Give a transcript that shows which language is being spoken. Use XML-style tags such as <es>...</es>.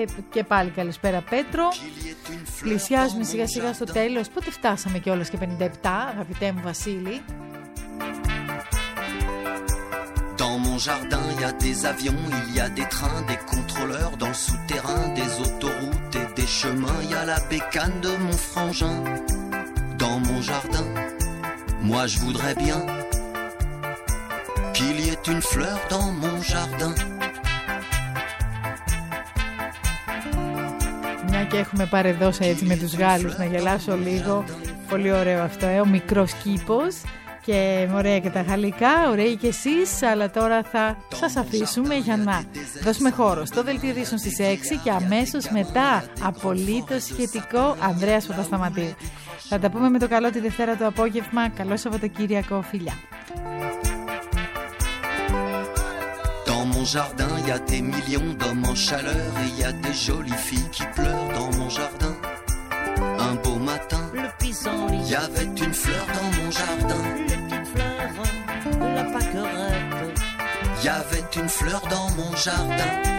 <el>Και πάλι καλησπέρα Πέτρο. Πλησιάζουμε σιγά σιγά στο τέλος. Πότε φτάσαμε κιόλας και 57, αγαπητέ μου Βασίλη.</el> <fr>Dans mon jardin il y a des avions, il y a des trains, des contrôleurs dans le souterrain, des autoroutes et des chemins, il y a la bécane de mon frangin. Dans mon jardin, moi je voudrais bien qu'il y ait une fleur dans mon jardin.</fr> <el>Και έχουμε παρεδώσει έτσι με τους Γάλλους να γελάσω λίγο. Πολύ ωραίο αυτό, ο μικρός κήπος. Και ωραία και τα γαλλικά, ωραία και εσείς. Αλλά τώρα θα σας αφήσουμε για να δώσουμε χώρο στο Δελτίο Ειδήσεων στις 6 και αμέσως μετά απολύτως σχετικό Ανδρέας Παπασταματίου. Θα τα πούμε με το καλό τη Δευτέρα το απόγευμα. Καλό Σαββατοκύριακο, φιλιά.</el> <fr>Dans mon jardin, y a des millions d'hommes en chaleur et y a des jolies filles qui pleurent dans mon jardin. Un beau matin, le pissenlit, y avait une fleur dans mon jardin. Une petite fleur, la pâquerette. Y avait une fleur dans mon jardin.</fr>